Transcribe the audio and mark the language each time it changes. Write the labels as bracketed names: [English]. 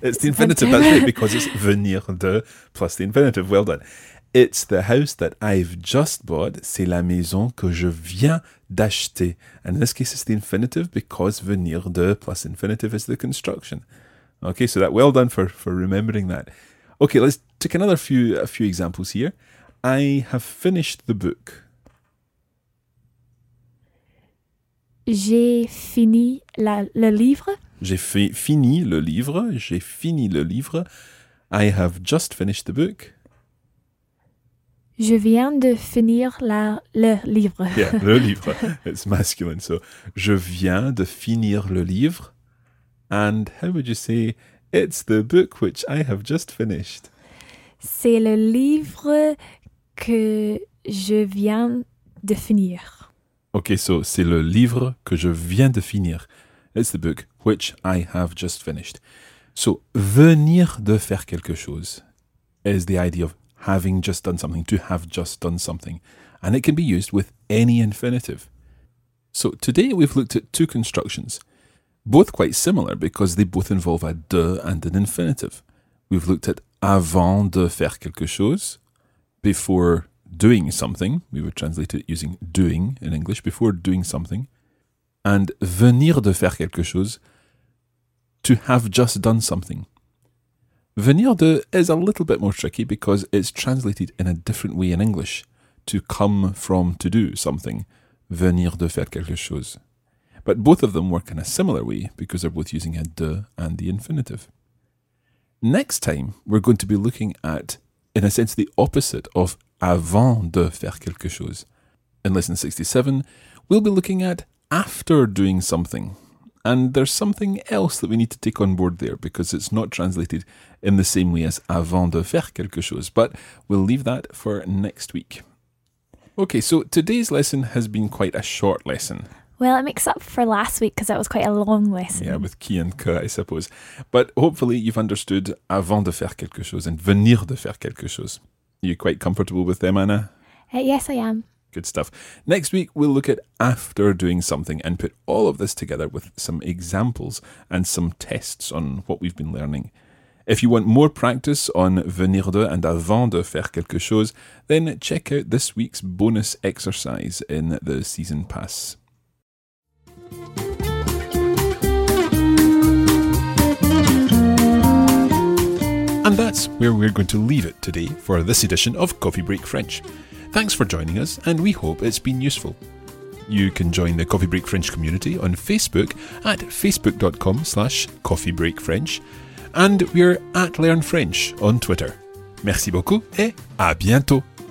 [English] It's the infinitive, that's right, because it's venir de plus the infinitive. Well done. It's the house that I've just bought. [French] C'est la maison que je viens d'acheter. [English] And in this case, it's the infinitive because venir de plus infinitive is the construction. Okay, so that well done for remembering that. Okay, let's take another few examples here. I have finished the book. [French] J'ai fini le livre. J'ai fini le livre. J'ai fini le livre. [English] I have just finished the book. [French] Je viens de finir le livre. [English] Yeah, [French] le livre. [English] It's masculine. [French] So, je viens de finir le livre. [English] And how would you say, it's the book which I have just finished? [French] C'est le livre que je viens de finir. [English] Okay, so, [French] c'est le livre que je viens de finir. [English] It's the book which I have just finished. So, [French] venir de faire quelque chose [English] is the idea of having just done something, to have just done something. And it can be used with any infinitive. So today we've looked at two constructions, both quite similar because they both involve a de and an infinitive. We've looked at [French] avant de faire quelque chose, [English] before doing something. We would translate it using doing in English, before doing something. And [French] venir de faire quelque chose, [English] to have just done something. Venir de is a little bit more tricky because it's translated in a different way in English. To come from, to do something. [French] Venir de faire quelque chose. [English] But both of them work in a similar way because they're both using a de and the infinitive. Next time, we're going to be looking at, in a sense, the opposite of [French] avant de faire quelque chose. [English] In lesson 67, we'll be looking at after doing something. And there's something else that we need to take on board there because it's not translated in the same way as [French] avant de faire quelque chose. [English] But we'll leave that for next week. Okay, so today's lesson has been quite a short lesson. Well, it makes up for last week because that was quite a long lesson. Yeah, with qui and que, I suppose. But hopefully you've understood [French] avant de faire quelque chose [English] and [French] venir de faire quelque chose. [English] Are you quite comfortable with them, Anna? Yes, I am. Good stuff. Next week, we'll look at after doing something and put all of this together with some examples and some tests on what we've been learning. If you want more practice on venir de and [French] avant de faire quelque chose, [English] then check out this week's bonus exercise in the season pass. And that's where we're going to leave it today for this edition of Coffee Break French. Thanks for joining us, and we hope it's been useful. You can join the Coffee Break French community on Facebook at facebook.com/coffeebreakfrench, and we're at Learn French on Twitter. [French] Merci beaucoup et à bientôt!